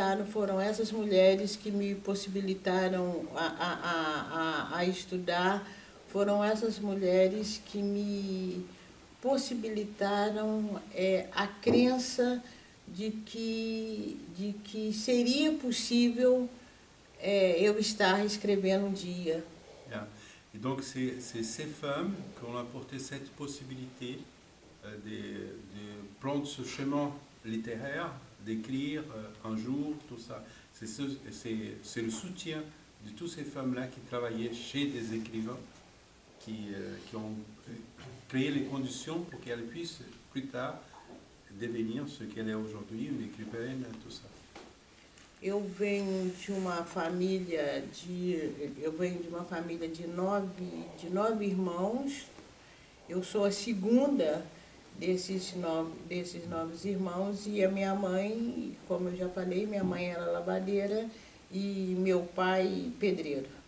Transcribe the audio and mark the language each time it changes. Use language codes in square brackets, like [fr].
[pt] foram essas mulheres que me possibilitaram a estudar, foram essas mulheres que me possibilitaram a crença de que seria possível eu estar escrevendo um dia. [fr] Et donc c'est ces femmes qui ont apporté cette possibilité de prendre ce chemin littéraire, d'écrire un jour, tout ça. C'est le soutien de toutes ces femmes-là qui travaillaient chez des écrivains qui ont créé les conditions pour qu'elles puissent plus tard devenir ce qu'elle est aujourd'hui, une écrivaine, tout ça. [pt] Eu venho de uma família de eu venho de uma família de nove irmãos. Eu sou a segunda desses nove irmãos e a minha mãe, como eu já falei, minha mãe era lavadeira e meu pai pedreiro.